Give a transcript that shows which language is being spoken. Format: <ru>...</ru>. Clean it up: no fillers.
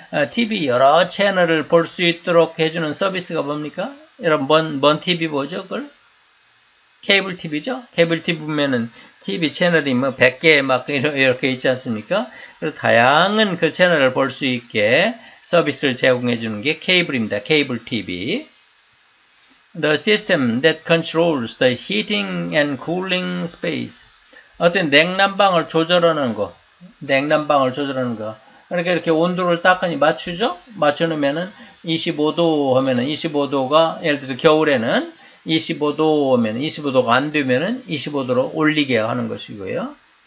<ko>TV 여러 채널을 볼 수 있도록 해주는 서비스가 뭡니까? 여러분 뭔 TV 보죠? 그걸? 케이블 TV죠? 케이블 TV 보면은 TV 채널이 뭐 100개 막 이렇게 있지 않습니까? 그래서 다양한 그 채널을 볼 수 있게 서비스를 제공해 주는 게 케이블입니다. 케이블 TV.</ko> <en>The system that controls the heating and cooling space.</en> <ko>어떤 냉난방을 조절하는 거. 냉난방을 조절하는 거. 그러니까 이렇게 온도를 딱하니 맞추죠? 맞춰놓으면은 25도 하면은 25도가 예를 들어 겨울에는 25도면, 25도가 안 되면은 25도로 올리게 하는 것이고요.</ko>